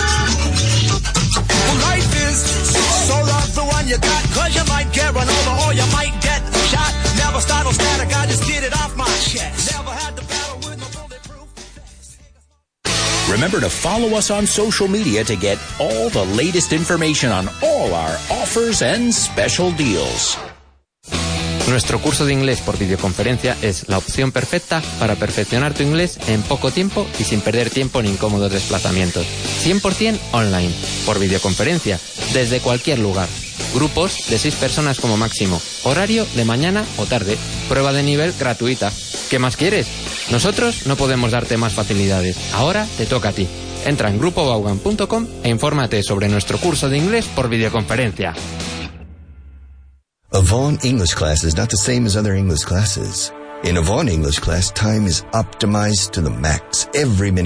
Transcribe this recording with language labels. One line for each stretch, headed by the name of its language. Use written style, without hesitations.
English: Well, life is so love the one you got, cause you might get run over or you might get shot. Never startled static, I just did it off my chest. Never had to battle with no bulletproof defense. Remember to follow us on social media to get all the latest information on all our offers and special deals.
Spanish: Nuestro curso de inglés por videoconferencia es la opción perfecta para perfeccionar tu inglés en poco tiempo y sin perder tiempo en incómodos desplazamientos. 100% online, por videoconferencia, desde cualquier lugar. Grupos de 6 personas como máximo. Horario de mañana o tarde. Prueba de nivel gratuita. ¿Qué más quieres? Nosotros no podemos darte más facilidades. Ahora te toca a ti. Entra en grupobaugan.com e infórmate sobre nuestro curso de inglés por videoconferencia.
English: Avon English class is not the same as other English classes. In Avon English class, time is optimized to the max. Every minute